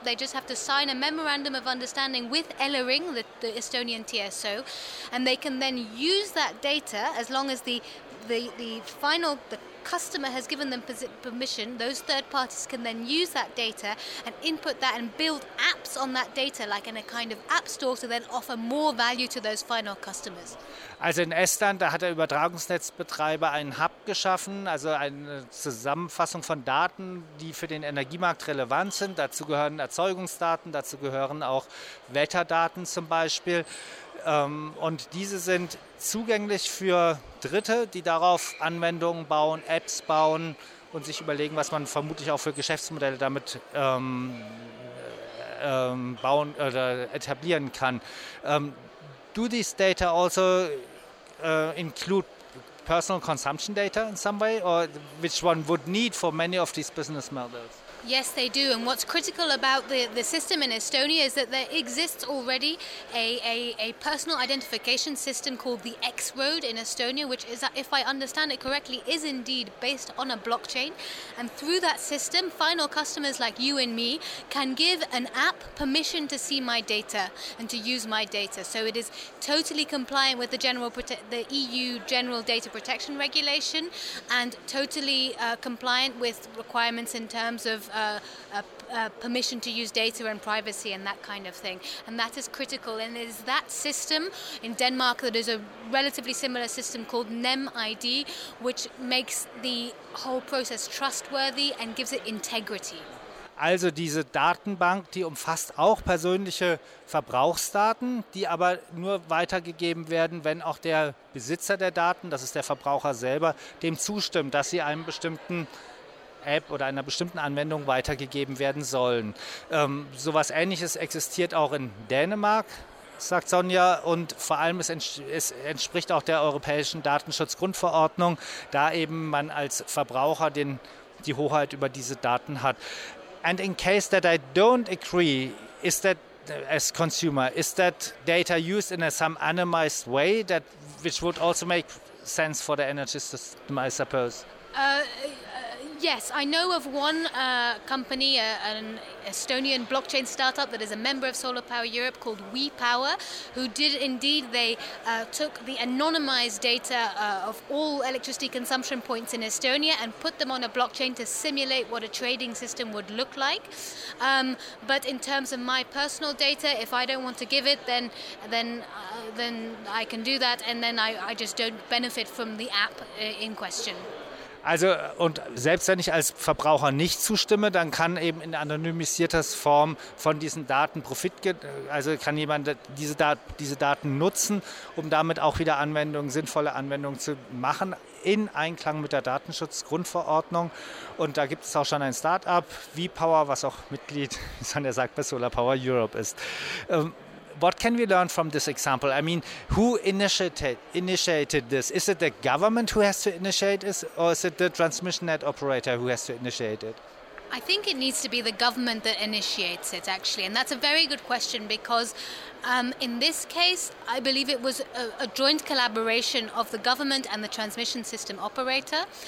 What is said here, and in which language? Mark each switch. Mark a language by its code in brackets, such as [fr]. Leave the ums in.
[en] They just have to sign a memorandum of understanding with Ellering, the, the Estonian TSO, and they can then use that data as long as the, the, the final, the customer has given them permission, those third parties can then use that data and input that and build apps on that data, like in a kind of app store, to then offer more value to those final customers. [de] Also in Estland, da hat der Übertragungsnetzbetreiber einen Hub geschaffen, also eine Zusammenfassung von Daten, die für den Energiemarkt relevant sind. Dazu gehören Erzeugungsdaten, dazu gehören auch Wetterdaten zum Beispiel und diese sind zugänglich für Dritte, die darauf Anwendungen bauen, Apps bauen und sich überlegen, was man vermutlich auch für Geschäftsmodelle damit ähm, ähm, bauen oder etablieren kann. [en] Um, do these data also uh, include personal consumption data in some way, or which one would need for many of these business models? Yes, they do. And what's critical about the, the system in Estonia is that there exists already a, a, a personal identification system called the X Road in Estonia, which is, if I understand it correctly, is indeed based on a blockchain. And through that system, final customers like you and me can give an app permission to see my data and to use my data. So it is totally compliant with the general prote- the EU General Data Protection Regulation and totally uh, compliant with requirements in terms of uh, uh, uh, permission to use data and privacy and that kind of thing. And that is critical. And it is that system in Denmark that is a relatively similar system called NemID, which makes the whole process trustworthy and gives it integrity. [de] Also diese Datenbank, die umfasst auch persönliche Verbrauchsdaten, die aber nur weitergegeben werden, wenn auch der Besitzer der Daten, das ist der Verbraucher selber, dem zustimmt, dass sie einem bestimmten App oder einer bestimmten Anwendung weitergegeben werden sollen. Ähm, sowas ähnliches existiert auch in Dänemark, sagt Sonja, und vor allem es, ents es entspricht auch der europäischen Datenschutzgrundverordnung, da eben man als Verbraucher den, die Hoheit über diese Daten hat. [en] And in case that I don't agree, is that as consumer, is that data used in a some anonymized way that which would also make sense for the energy system, I suppose? Uh, Yes, I know of one uh, company, uh, an Estonian blockchain startup that is a member of Solar Power Europe called WePower, who did indeed, they uh, took the anonymized data of all electricity consumption points in Estonia and put them on a blockchain to simulate what a trading system would look like. Um, but in terms of my personal data, if I don't want to give it, then then then I can do that, and then I, I just don't benefit from the app in question. [de] Also, und selbst wenn ich als Verbraucher nicht zustimme, dann kann eben in anonymisierter Form von diesen Daten Profit, also kann jemand diese, Dat diese Daten nutzen, um damit auch wieder Anwendungen, sinnvolle Anwendungen zu machen, in Einklang mit der Datenschutzgrundverordnung. Und da gibt es auch schon ein Start-up, V-Power, was auch Mitglied, wie Sonja sagt, bei Solar Power Europe ist. [en] Ähm, what can we learn from this example? I mean, who initiated initiated this? Is it the government who has to initiate this, or is it the transmission net operator who has to initiate it? I think it needs to be the government that initiates it, actually. And that's a very good question because um, in this case, I believe it was a, a joint collaboration of the government and the transmission system operator.